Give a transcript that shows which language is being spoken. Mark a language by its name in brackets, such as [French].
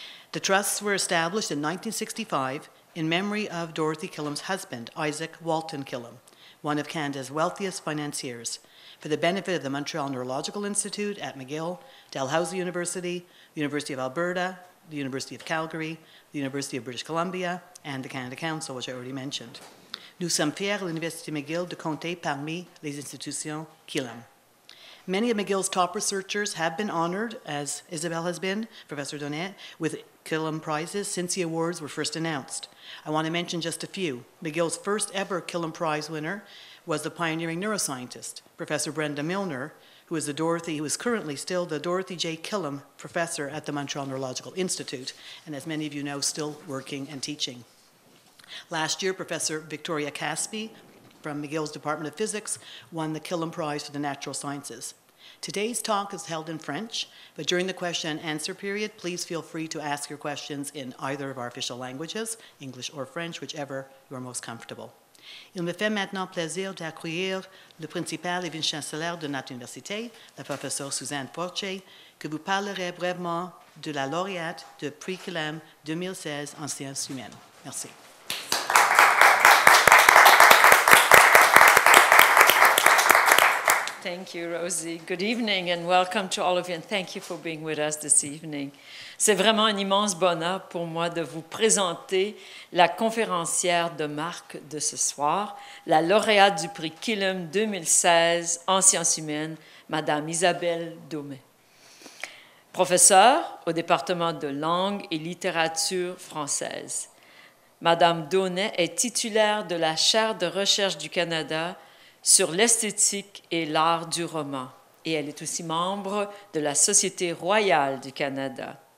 [English] The trusts were established in 1965 in memory of Dorothy QLM's husband, Isaac Walton QLM, one of Canada's wealthiest financiers, for the benefit of the Montreal Neurological Institute at McGill, Dalhousie University, University of Alberta, the University of Calgary, the University of British Columbia, and the Canada Council, which I already mentioned. [French] Nous sommes fiers à l'Université McGill de compter parmi les institutions QLM. [English] Many of McGill's top researchers have been honored, as Isabel has been, Professor Donet, with QLM prizes since the awards were first announced. I want to mention just a few. McGill's first ever QLM Prize winner was the pioneering neuroscientist, Professor Brenda Milner, who is currently still the Dorothy J. QLM Professor at the Montreal Neurological Institute, and as many of you know, still working and teaching. Last year, Professor Victoria Caspi from McGill's Department of Physics won the QLM Prize for the Natural Sciences. Today's talk is held in French, but during the question and answer period, please feel free to ask your questions in either of our official languages, English or French, whichever you are most comfortable. [French] Il me fait maintenant plaisir d'accueillir le principal et vice-chancelier de notre université, la professeure Suzanne Fortier, que vous parlerez brièvement de la lauréate de Prix QLM 2016 en sciences humaines. Merci. [English] Thank you, Rosie. Good evening and welcome to all of you, and thank you for being with us this evening. [French] C'est vraiment un immense bonheur pour moi de vous présenter la conférencière de marque de ce soir, la lauréate du prix QLM 2016 en sciences humaines, Madame Isabelle Daumet. Professeure au département de langue et littérature française, Madame Daumet est titulaire de la chaire de recherche du Canada sur l'esthétique et l'art du roman, et elle est aussi membre de la Société royale du Canada.